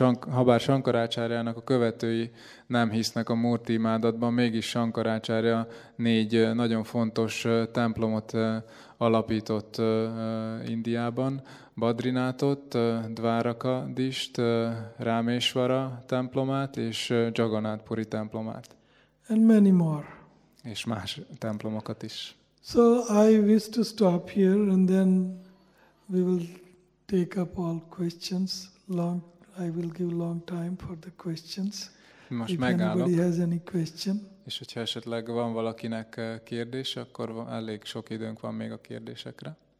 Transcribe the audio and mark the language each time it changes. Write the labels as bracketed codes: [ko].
[hu] Habár Shankaracharyának a követői nem hisznek a Murti imádatban, mégis Shankaracharya 4 nagyon fontos templomot alapított Indiában. Badrinátot, Dvárakadist, Rámésvara templomát és Jagannath Puri templomát. [en] And many more. [hu] És más templomokat is. [en] So I wish to stop here and then we will take up all questions long. I will give long time for the questions. [hu] Most [en] if [hu] megállok. [en] Anybody has any question. [hu] És hogyha esetleg van valakinek kérdés, akkor elég sok időnk van még a kérdésekre.